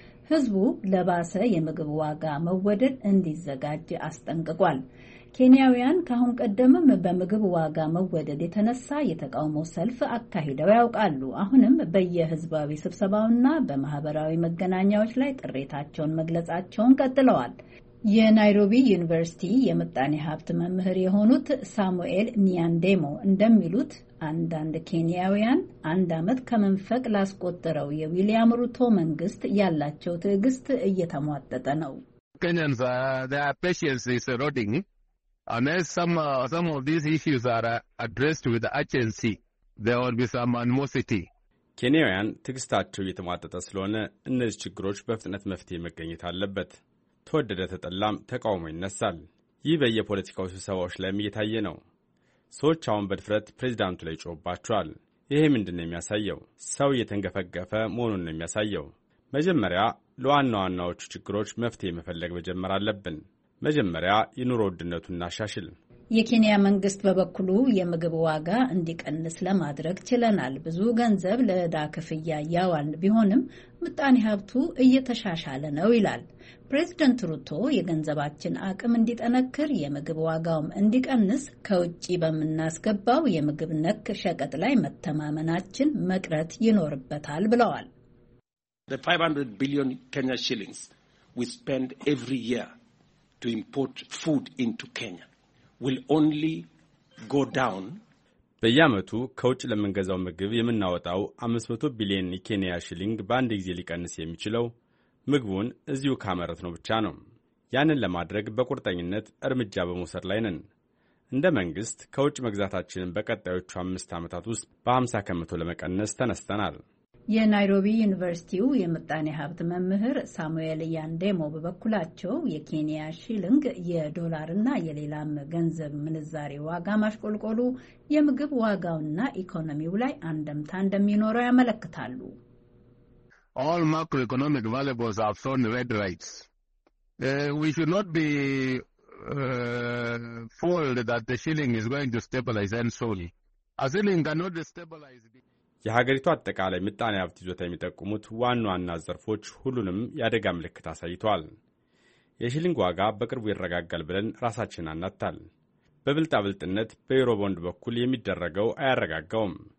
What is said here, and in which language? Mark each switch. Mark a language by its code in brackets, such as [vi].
[am] ህዝቡ ለባሰ የምግብ ዋጋ መወደድ እንዲዘጋጅ አስጠንቅቋል። ኬንያውያን ከአሁን ቀደምም በምግብ ዋጋ መወደድ የተነሳ የተቃውሞ ሰልፍ አካሂደው ያውቃሉ። አሁንም በየህዝባዊ ስብሰባውና በማህበራዊ መገናኛዎች ላይ ቅሬታቸውን መግለጻቸውን ቀጥለዋል። የናይሮቢ ዩኒቨርሲቲ የምጣኔ ሀብት መምህር የሆኑት ሳሙኤል ኒያንዴሞ እንደሚሉት አንዳንድ ኬንያውያን አንድ አመት ከመንፈቅ ላስቆጠረው የዊሊያም ሩቶ መንግስት ያላቸው ትዕግስት እየተሟጠጠ ነው። [en] Kenyans, their patience is eroding. Unless some of these issues are addressed with urgency, there will be some animosity. [am] ኬንያውያን ትዕግስታቸው እየተሟጠጠ ስለሆነ እነዚህ ችግሮች በፍጥነት መፍትሄ መገኘት አለበት። ተወደደ ተጠላም ተቃውሞ ይነሳል። ይህ በየፖለቲካው ስብሰባዎች ላይም እየታየ ነው። ሰዎች አሁን በድፍረት ፕሬዚዳንቱ ላይ ጮህባቸዋል። ይሄ ምንድን ነው የሚያሳየው? ሰው እየተንገፈገፈ መሆኑን ነው የሚያሳየው። መጀመሪያ ለዋና ዋናዎቹ ችግሮች መፍትሄ መፈለግ መጀመር አለብን። መጀመሪያ የኑሮ ውድነቱን እናሻሽል። የኬንያ መንግስት በበኩሉ የምግብ ዋጋ እንዲቀንስ ለማድረግ ችለናል፣ ብዙ ገንዘብ ለዕዳ ክፍያ ያዋልን ቢሆንም ምጣኔ ሀብቱ እየተሻሻለ ነው ይላል። ፕሬዚደንት ሩቶ የገንዘባችን አቅም እንዲጠነክር፣ የምግብ ዋጋውም እንዲቀንስ ከውጪ በምናስገባው የምግብ ነክ ሸቀጥ ላይ መተማመናችን መቅረት ይኖርበታል ብለዋል። [en] The 500 billion Kenya shillings we spend every year to import food into Kenya will only go down. [am] በየአመቱ ከውጭ ለምንገዛው ምግብ የምናወጣው 500 ቢሊዮን የኬንያ ሺሊንግ በአንድ ጊዜ ሊቀንስ የሚችለው ምግቡን እዚሁ ካመረት ነው ብቻ ነው። ያንን ለማድረግ በቁርጠኝነት እርምጃ በመውሰድ ላይ ነን። እንደ መንግስት ከውጭ መግዛታችንን በቀጣዮቹ 5 አመታት ውስጥ በ50% ለመቀነስ ተነስተናል። የናይሮቢ ዩኒቨርሲቲው የምጣኔ ሀብት መምህር ሳሙኤል ያንዴሞ በበኩላቸው የኬንያ ሺሊንግ የዶላርና የሌላም ገንዘብ ምንዛሬ ዋጋ ማሽቆልቆሉ የምግብ ዋጋውና ኢኮኖሚው ላይ አንደምታ እንደሚኖረው ያመለክታሉ። [en] All macroeconomic variables are thrown red lights. We should not be fooled that the shilling is going to stabilize and slowly. A shilling cannot stabilize the... [am] የሀገሪቱ አጠቃላይ ምጣኔ ሀብት ይዞታ የሚጠቁሙት ዋና ዋና ዘርፎች ሁሉንም ያደጋ ምልክት አሳይቷል። የሺሊንግ ዋጋ በቅርቡ ይረጋጋል ብለን ራሳችን አናታል። በብልጣብልጥነት በዩሮቦንድ በኩል የሚደረገው አያረጋጋውም።